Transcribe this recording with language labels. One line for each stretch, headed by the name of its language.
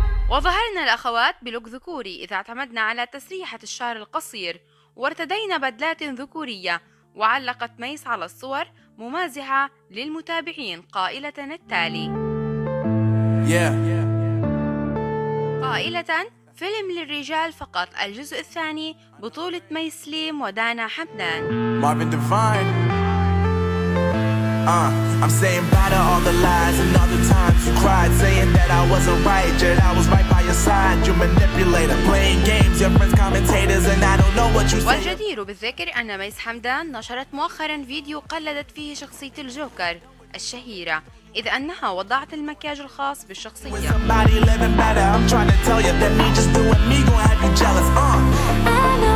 Arabic: وظهرنا الأخوات بلوك ذكوري إذا اعتمدنا على تسريحة الشعر القصير، وارتدينا بدلات ذكورية، وعلقت ميس على الصور ممازحة للمتابعين قائلة التالي قائلة فيلم للرجال فقط الجزء الثاني بطولة مي سليم ودانا حمدان.
English: Marvin Devine. I'm saying bye to all the lies and all the times you cried, saying that I wasn't right, yet I was right by your side. You manipulator, playing games, your friends commentators, and I don't know what you say.
Arabic: والجدير بالذكر أن ميس حمدان نشرت مؤخرا فيديو قلدت فيه شخصية الجوكر الشهيرة، إذ أنها وضعت المكياج الخاص بالشخصية.
English: With somebody living better, I'm trying to tell you that me just doing me gonna have you jealous.